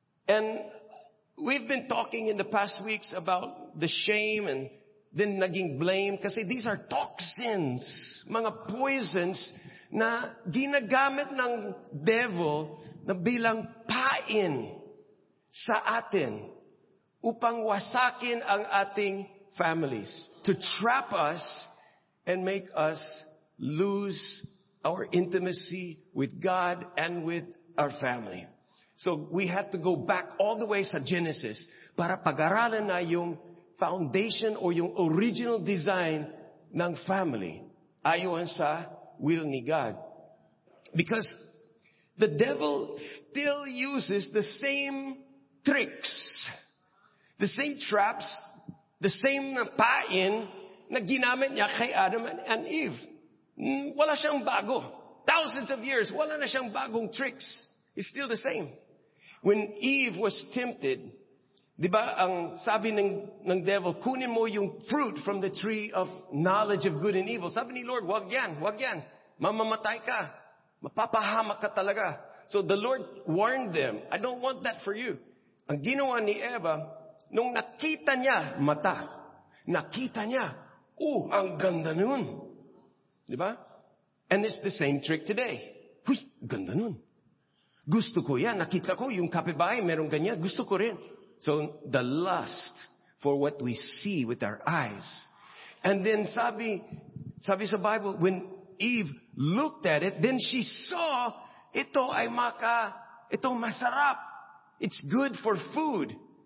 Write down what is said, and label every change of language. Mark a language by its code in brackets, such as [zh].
[en] And we've been talking in the past weeks about the shame and then naging blame. [tl] Kasi [en] these are toxins, [tl] mga poisons na ginagamit ng devil na bilang pain sa atin upang wasakin ang ating families. [en] To trap us and make us lose our intimacy with God and with our family. So we had to go back all the way [tl] sa Genesis para pag-aralan na yung foundation or yung original design ng family ayon sa will ni God. [en] Because the devil still uses the same tricks, the same traps, the same pain na ginamit niya kay Adam and Eve. [tl] Wala siyang bago. [en] Thousands of years, [tl] wala na siyang bagong [en] tricks. It's still the same. When Eve was tempted, di ba ang sabi ng devil, kunin mo yung fruit from the tree of knowledge of good and evil. [tl] Sabi ni Lord, wag yan, wag yan. Mamamatay ka. Mapapahamak ka talaga. [en] So the Lord warned them, I don't want that for you. [tl] Ang ginawa ni Eva, nung nakita niya mata, nakita niya, ang ganda nun. Di ba? [en] And it's the same trick today. [tl] Ganda nun. Gusto ko yan. Nakita ko yung kapibahay, meron ganyan. Gusto ko rin. [en] So, the lust for what we see with our eyes. And then sabi sa Bible, when Eve looked at it, then she saw, [tl] ito ay maka, ito masarap. [en] It's good for food.